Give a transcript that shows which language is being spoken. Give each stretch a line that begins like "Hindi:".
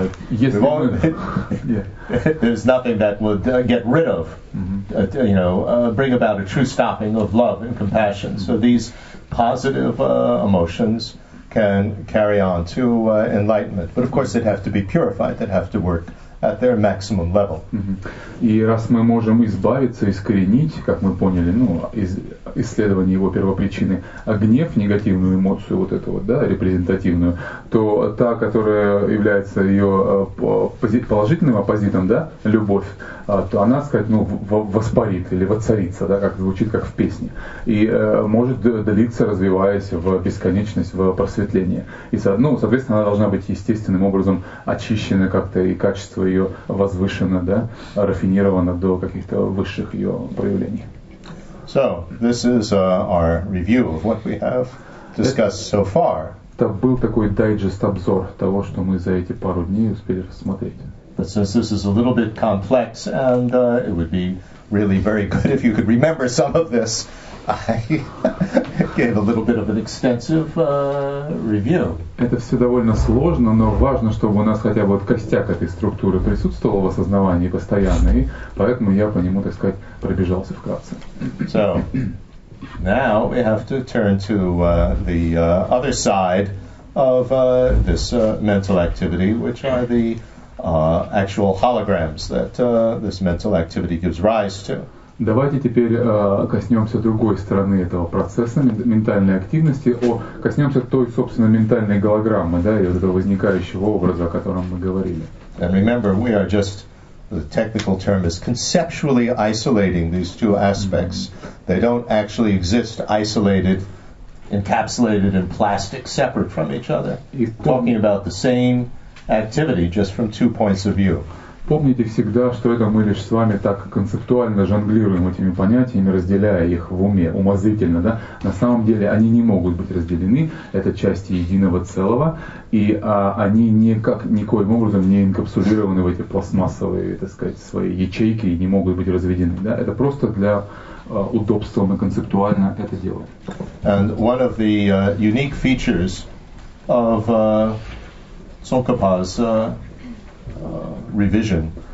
English: There's nothing that would get rid of, bring about a true stopping of love and compassion. Mm-hmm. So these positive emotions can carry on to enlightenment. But of course, they'd have to be purified, they'd have to work at their maximum level.
Russian: И раз мы можем избавиться, искоренить, как мы поняли, ну, из исследования его первопричины, гнев, негативную эмоцию, вот эту вот, да, репрезентативную, то та, которая является ее положительным оппозитом, да, любовь, то она, сказать, ну, воспарит или воцарится, да, как звучит, как в песне, и может длиться, развиваясь в бесконечность, в просветление. И, ну, соответственно, она должна быть естественным образом очищена как-то, и качество ее возвышено, да, рафинировано до каких-то высших ее проявлений.
English: So, this is our review of what we have discussed so far.
Russian: Это был такой дайджест-обзор того, что мы за эти пару дней успели рассмотреть.
English: But since this is a little bit complex, and it would be really very good if you could remember some of this, I gave a little bit of an extensive review.
Russian: Это все довольно сложно, но важно, чтобы у нас хотя бы вот костяк этой структуры присутствовал в осознавании постоянно, и поэтому я по нему, так сказать, пробежался вкратце.
English: So, now we have to turn to the other side of this mental activity, which are the actual holograms that this mental activity gives rise to.
Russian: Давайте теперь коснемся другой стороны этого процесса ментальной активности, коснемся той, собственно, ментальной голограммы, да, и вот этого возникающего образа, о котором мы говорили.
English: And remember, we are just, the technical term is conceptually isolating these two aspects. They don't actually exist isolated, encapsulated in plastic, separate from each other. Talking about the same activity, just from two points of view.
Russian: Помните всегда, что это мы лишь с вами так концептуально жонглируем этими понятиями, разделяя их в уме, умозрительно, да? На самом деле они не могут быть разделены, это части единого целого, и они никак, никоим образом не инкапсулированы в эти пластмассовые, так сказать, свои ячейки и не могут быть разведены, да? Это просто для удобства мы концептуально это делаем.
English: And one of the unique features of Tsongkhapa's revision